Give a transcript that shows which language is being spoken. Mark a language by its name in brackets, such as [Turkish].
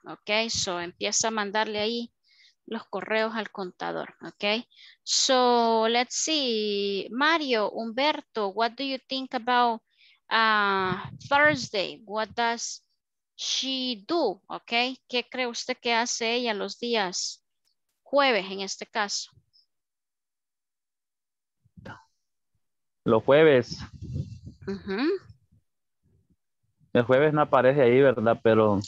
[Spanish] Okay, so empieza a mandarle ahí los correos al contador, okay? [English] So, let's see, Mario, Humberto, what do you think about Thursday? What does she do, okay? [Spanish] ¿Qué cree usted que hace ella los días jueves en este caso? Los jueves. Uh-huh. El jueves no aparece ahí, ¿verdad? Pero...